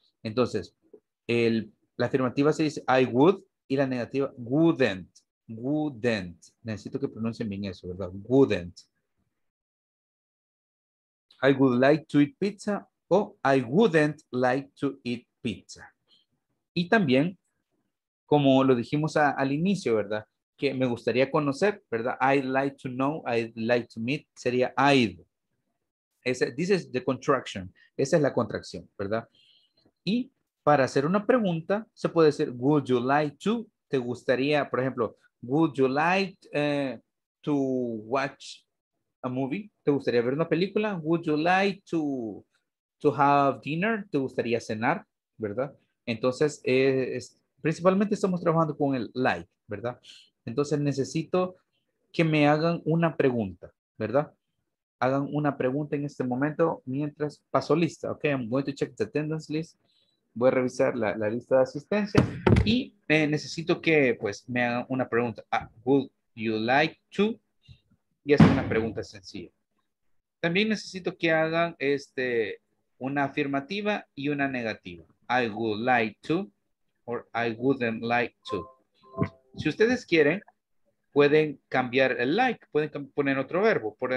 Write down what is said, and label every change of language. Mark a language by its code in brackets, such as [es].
[es] Entonces, la afirmativa se dice [en] I would [es] y la negativa [en] wouldn't, wouldn't. [es] Necesito que pronuncien bien eso, ¿verdad? [en] Wouldn't. I would like to eat pizza o I wouldn't like to eat pizza. [es] Y también, como lo dijimos al inicio, ¿verdad? Que me gustaría conocer, ¿verdad? [en] I'd like to know, I'd like to meet, [es] sería [en] I'd. This is the contraction. [es] Esa es la contracción, ¿verdad? Y para hacer una pregunta, se puede decir, [en] would you like to, [es] te gustaría, por ejemplo, [en] would you like to watch a movie, [es] te gustaría ver una película, [en] would you like to have dinner, [es] te gustaría cenar, ¿verdad? Entonces, principalmente estamos trabajando con el like, ¿verdad? Entonces, necesito que me hagan una pregunta, ¿verdad? Hagan una pregunta en este momento mientras paso lista, ¿ok? [en] I'm going to check the attendance list. [es] Voy a revisar la lista de asistencia y necesito que, pues, me hagan una pregunta. [en] Would you like to? [es] Y es una pregunta sencilla. También necesito que hagan una afirmativa y una negativa. [en] I would like to or I wouldn't like to. [es] Si ustedes quieren, pueden cambiar el like, pueden poner otro verbo.